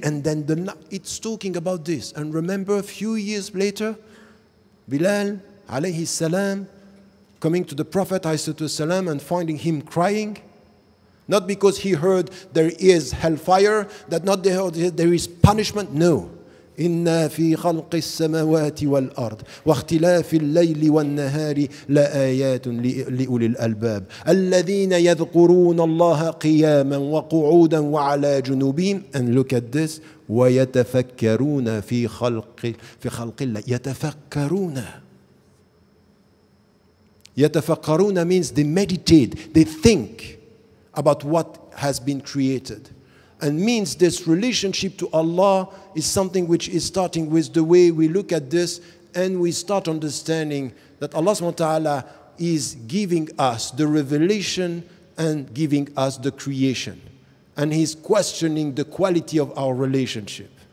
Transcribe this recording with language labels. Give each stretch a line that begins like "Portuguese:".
English: And then it's talking about this. And remember, a few years later, Bilal alayhi salam, coming to the Prophet ﷺ and finding him crying, not because he heard there is hellfire, that not they heard there is punishment, no.
Arabic: إنا في خلق السماوات والأرض واختلاف الليل والنهار لآيات لأولي الألباب الذين يذكرون الله قياما وقعودا وعلى جنوبهم
English: and look at this
Arabic: ويتفكرون في خلق الله يتفكرون يتفكرون
English: means they meditate, they think about what has been created. And means this relationship to Allah is something which is starting with the way we look at this and we start understanding that Allah subhanahu wa ta'ala is giving us the revelation and giving us the creation. And He's questioning the quality of our relationship.